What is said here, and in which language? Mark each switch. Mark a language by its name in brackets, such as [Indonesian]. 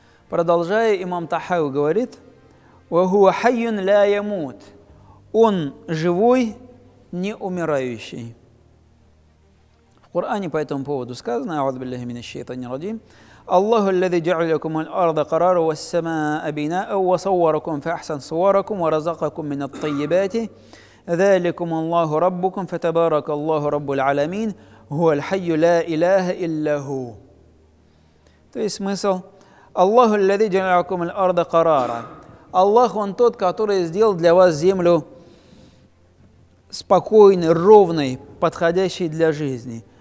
[Russian] Продолжая, имам Тахави говорит, [Arabic] «Вахуа хайюн ля ямут». [Russian] Он живой, не умирающий. В Коране по этому поводу сказано, [Arabic] «Ауаду биллахи мина шейтани радим». Аллаху, الذي جعل لكم الأرض قرارا والسماء بناء وصوركم فأحسن صوركم ورزقكم من الطيبات ذلكم الله ربكم فتبارك الله رب العالمين هو الحي لا إله إلا هو. [Russian] То есть смысл: Аллаху, [Arabic] الذي جعل لكم الأرض قرارا. [Russian] Аллах, он тот, который сделал для вас землю спокойной, ровной, подходящей для жизни.